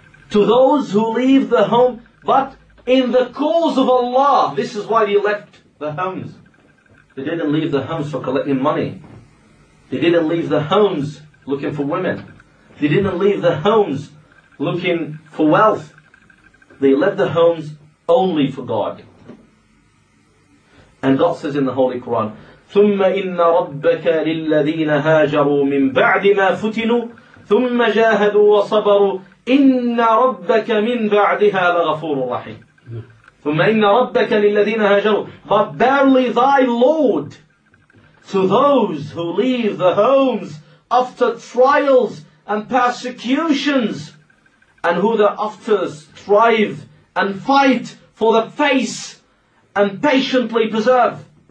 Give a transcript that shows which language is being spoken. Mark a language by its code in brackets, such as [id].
[en] To those who leave the home, but in the cause of Allah, this is why they left the homes. They didn't leave the homes for collecting money. They didn't leave the homes looking for women. They didn't leave the homes looking for wealth. They left the homes only for God. And God says in the Holy Quran, [ar] ثُمَّ إِنَّ رَبَّكَ لِلَّذِينَ هَاجَرُوا مِنْ بَعْدِ مَا فُتِنُوا ثُمَّ جَاهَدُوا وَصَبَرُوا إِنَّ رَبَّكَ مِنْ بَعْدِهَا لَغَفُورٌ رَحِيمٌ. ثُمَّ إِنَّ رَبَّكَ لِلَّذِينَ هَاجَرُوا. [en] But barely thy Lord to those who leave the homes after trials and persecutions, and who thereafter strive and fight for the faith and patiently preserve.